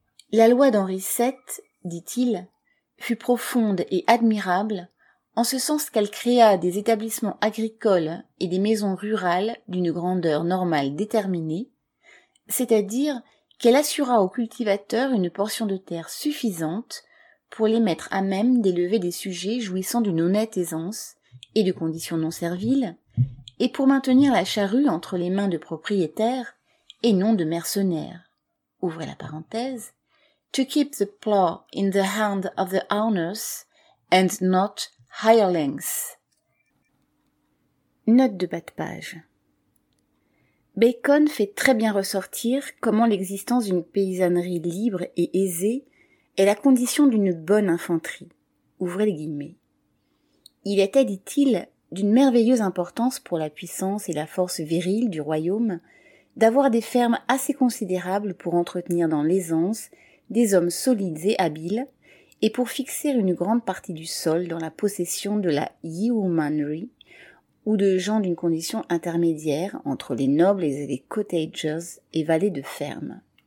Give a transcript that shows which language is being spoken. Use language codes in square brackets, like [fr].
[fr] La loi d'Henri VII, dit-il, fut profonde et admirable en ce sens qu'elle créa des établissements agricoles et des maisons rurales d'une grandeur normale déterminée, c'est-à-dire qu'elle assura aux cultivateurs une portion de terre suffisante pour les mettre à même d'élever des sujets jouissant d'une honnête aisance et de conditions non serviles, et pour maintenir la charrue entre les mains de propriétaires et non de mercenaires. Ouvrez la parenthèse. [en] To keep the plow in the hand of the owners and not hirelings. [fr] Note de bas de page. Bacon fait très bien ressortir comment l'existence d'une paysannerie libre et aisée est la condition d'une bonne infanterie. Ouvrez les guillemets. Il était, dit-il, d'une merveilleuse importance pour la puissance et la force virile du royaume d'avoir des fermes assez considérables pour entretenir dans l'aisance des hommes solides et habiles et pour fixer une grande partie du sol dans la possession de la yeomanry ou de gens d'une condition intermédiaire entre les nobles et les cottagers et valets de ferme.